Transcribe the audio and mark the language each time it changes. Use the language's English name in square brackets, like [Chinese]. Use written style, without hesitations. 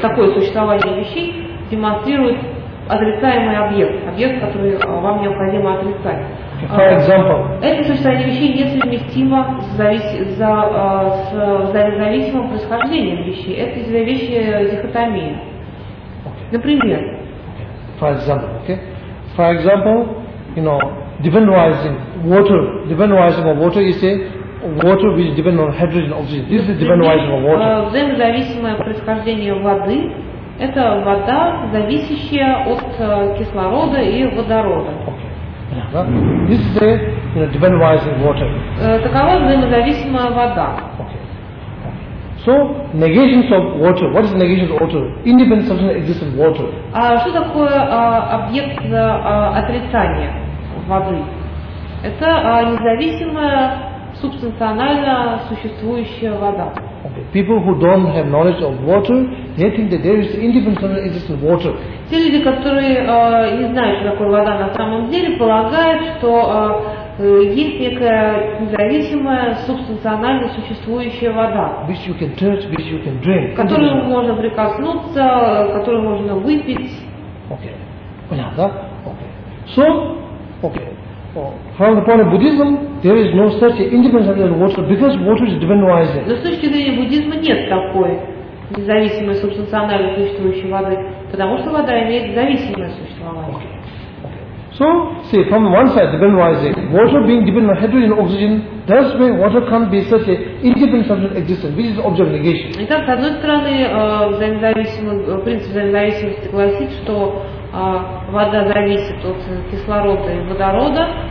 [Russian] Такое существование вещей демонстрирует отрицаемый объект, объект, который вам необходимо отрицать. [English] For example, [Russian] это существование вещей несовместимо с зависимым происхождением вещей. Это вещи дихотомия. Okay. Например. [English] For example, you know, dependent rising of water, you say, water which is dependent on hydrogen, oxygen. This is dependent rising of water. [Russian] Взаимозависимое происхождение воды – это вода, зависящая от кислорода и водорода. [English] Okay. Yeah. This is a, you know, dependent rising water. [Russian] Такова взаимозависимая вода. [English] So, negations of water. What is negation of water? Independent substance exists in water. [Russian] Что такое объект отрицания воды? Это независимая субстанционально существующая вода. [English] Okay. People who don't have knowledge of water, they think that there is independent substance exists in water. [Russian] Те люди, которые не знают, что такое вода на самом деле, полагают, что есть некая независимая субстанционально существующая вода, [English] which you can touch, which you can drink, [Russian] которую можно прикоснуться, которую можно выпить. [English] Okay. [Russian] Понятно, да? [English] Okay. So, okay. From the point of Buddhism, there is no such independence of water because water is divine rising. [Russian] Но с точки зрения буддизма нет такой независимой субстанционально существующей воды, потому что вода имеет зависимое существование. [English] Okay. So, see, from one side, depending on rising, water being dependent on hydrogen and oxygen, that's why water can't be such an independent substance existence, which is object negation. [Russian] Итак, с одной стороны, принцип взаимозависимости гласит, что вода зависит от кислорода и водорода.